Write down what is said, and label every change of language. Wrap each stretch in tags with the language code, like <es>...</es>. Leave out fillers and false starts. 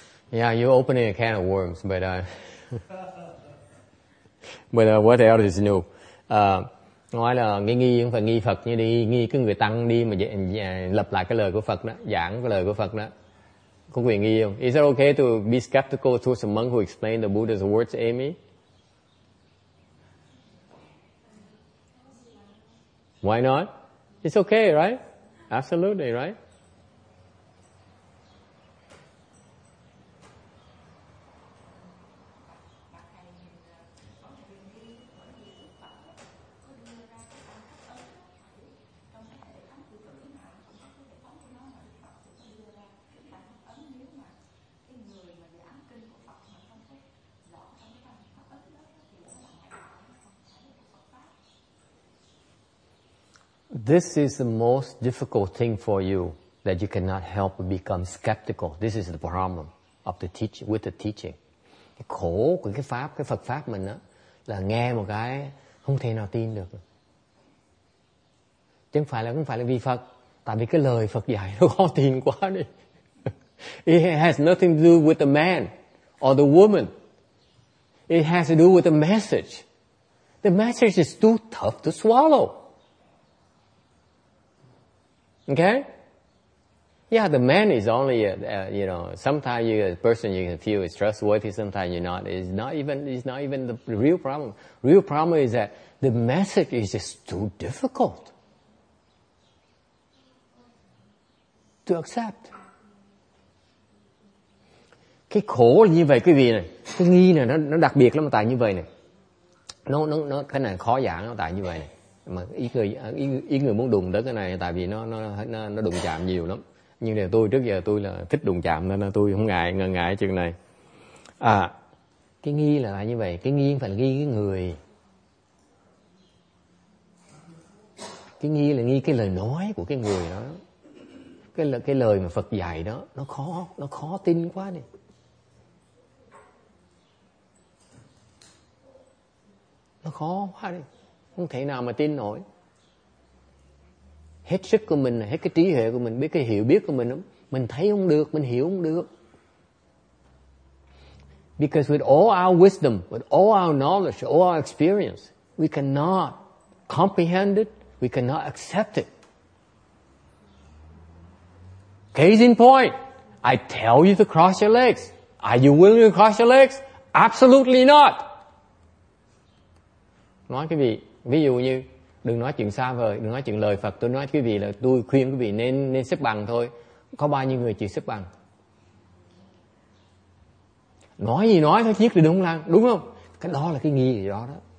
<en>Yeah, you're opening a can of worms, but what else is new?</en> <vi>Nói là nghi không phải nghi Phật như đi nghi cái người tăng đi mà lập lại cái lời của Phật đó, giảng cái lời của Phật đó. Có quyền nghi không?</vi> <en>Is it okay to be skeptical towards a monk who explained the Buddha's words, Amy? Why not? It's okay, right? Absolutely, right? This is the most difficult thing for you that you cannot help but become skeptical. This is the problem of the with the teaching.</en> <vi>Cái khổ của cái pháp, cái Phật pháp mình á là nghe một cái không thể nào tin được. Chứ không phải là vì Phật, tại vì cái lời Phật dạy nó khó tin quá đi.</vi> <en>It has nothing to do with the man or the woman. It has to do with the message. The message is too tough to swallow. Okay? Yeah, the man is only, sometimes you're a person you can feel is trustworthy, sometimes you're not. It's not even the real problem. Real problem is that the message is just too difficult to accept.</en> <vi>Cái khổ như vậy quý vị này, cái nghi này nó đặc biệt lắm tại như vậy này. Nó cái này khó giảng tại như vậy này. Mà ý người muốn đụng tới cái này tại vì nó đụng chạm nhiều lắm. Nhưng mà tôi trước giờ tôi là thích đụng chạm nên tôi không ngại ngần ngại chuyện này. À, cái nghi là như vậy, cái nghi phải nghi cái người. Cái nghi là nghi cái lời nói của cái người đó. Cái lời mà Phật dạy đó nó khó tin quá đi. Nó khó quá đi. Không thể nào mà tin nổi. hết sức của mình, hết cái trí huệ của mình, biết cái hiểu biết của mình, mình thấy không được, mình hiểu không được.</vi> <en>Because with all our wisdom, with all our knowledge, all our experience, we cannot comprehend it, we cannot accept it. Case in point, I tell you to cross your legs. Are you willing to cross your legs? Absolutely not.</en> <vi>Nói quý vị, ví dụ như, đừng nói chuyện xa vời, đừng nói chuyện lời Phật. Tôi nói quý vị là tôi khuyên quý vị nên xếp bằng thôi. Có bao nhiêu người chịu xếp bằng? Nói gì nói thôi, chiếc thì đúng không? Đúng không? Cái đó là cái nghi gì đó đó.</vi>